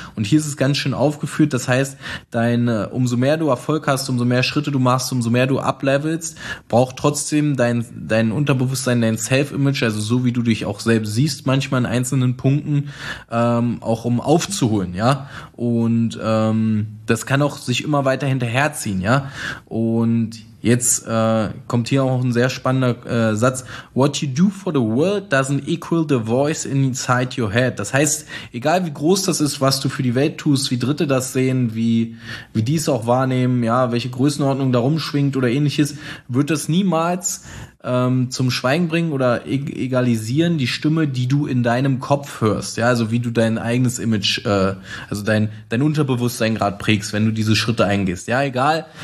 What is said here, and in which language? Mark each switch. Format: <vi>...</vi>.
<de>Und hier ist es ganz schön aufgeführt. Das heißt, umso mehr du Erfolg hast, umso mehr Schritte du machst, umso mehr du uplevelst, braucht trotzdem dein Unterbewusstsein, dein Self-Image, also so wie du dich auch selbst siehst, manchmal in einzelnen Punkten, auch um aufzuholen. Ja, und das kann auch sich immer weiter hinterherziehen, ja. Und jetzt kommt hier auch ein sehr spannender Satz.</de> <en>What you do for the world doesn't equal the voice inside your head.</en> <de>Das heißt, egal wie groß das ist, was du für die Welt tust, wie Dritte das sehen, wie die es auch wahrnehmen, ja, welche Größenordnung da rumschwingt oder ähnliches, wird das niemals zum Schweigen bringen oder egalisieren die Stimme, die du in deinem Kopf hörst, ja, also wie du dein eigenes Image, also dein Unterbewusstsein gerade prägst, wenn du diese Schritte eingehst, ja, egal</de>